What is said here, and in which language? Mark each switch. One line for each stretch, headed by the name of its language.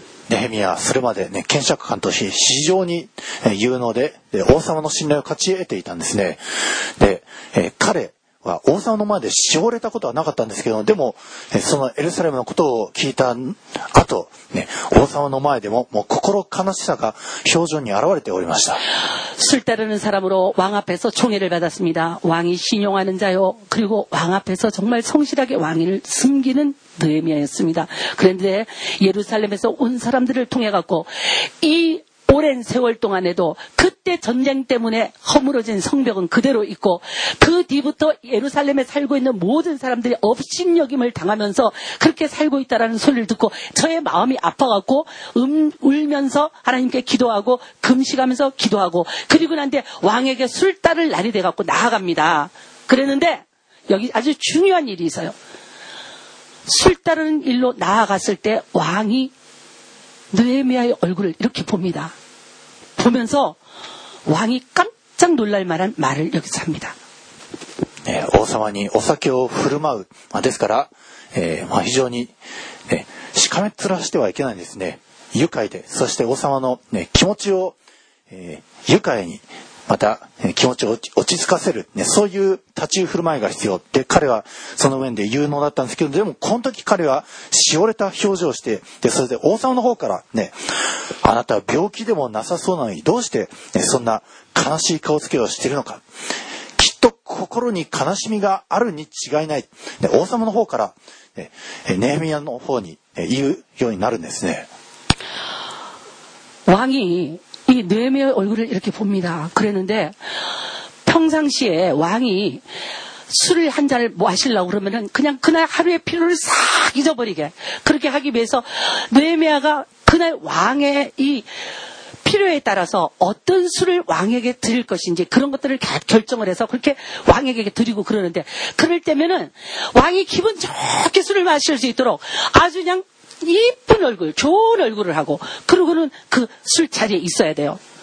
Japanese: ネヘミヤはそれまで、ね、検釈官として非常に有能 で王様の信頼を勝ち得ていたんですねで、彼は王様の前でしおれたことはなかったんですけどでもそのエルサレムのことを聞いた後、ね、王様の前でも、もう心悲しさが表情に現れておりました
Korean: 술 따르는 사람으로 왕 앞에서 총애를 받았습니다. 왕이 신용하는 자요. 그리고 왕 앞에서 정말 성실하게 왕위를 숨기는 느헤미야였습니다. 그런데 예루살렘에서 온 사람들을 통해 갖고 이 오랜 세월 동안에도 그때 전쟁 때문에 허물어진 성벽은 그대로 있고 그 뒤부터 예루살렘에 살고 있는 모든 사람들이 업신여김을 당하면서 그렇게 살고 있다라는 소리를 듣고 저의 마음이 아파갖고 울면서 하나님께 기도하고 금식하면서 기도하고 그리고 난 뒤 왕에게 술 따를 날이 돼갖고 나아갑니다. 그랬는데 여기 아주 중요한 일이 있어요. 술 따르는 일로 나아갔을 때 왕이 느헤미야의 얼굴을 이렇게 봅니다. 보면서 왕이 깜짝 놀랄 만한 말을 여기서 합니다.
Japanese: 네, 오사마니 오사케오 후르마우 ですから 非常に しかめつらしてはいけないですね 愉快で そして王様の 気持ちを愉快に また 気持ちを落ち着かせる そういう 立ち振る舞いが必要 で 彼は その面で有能だったんですけど でもこの時彼はしおれた表情をして でそれで王様の方から あなたは病気でもなさそうなのに どうしてそんな悲しい顔つけをしているのか きっと心に悲しみがあるに違いない で王様の方から ネヘミヤの方に 言うようになるんですね
Korean: 왕이 이 느헤미야의 얼굴을 이렇게 봅니다. 그랬는데 평상시에 왕이 술을 한 잔을 마시려고 그러면은 그냥 그날 하루의 피로를 싹 잊어버리게 그렇게 하기 위해서 느헤미야가 그날 왕의 이 필요에 따라서 어떤 술을 왕에게 드릴 것인지 그런 것들을 결정을 해서 그렇게 왕에게 드리고 그러는데 그럴 때면은 왕이 기분 좋게 술을 마실 수 있도록 아주 그냥 이쁜 얼굴, 좋은 얼굴을 하고 그러고는 그 술자리에 있어야 돼요.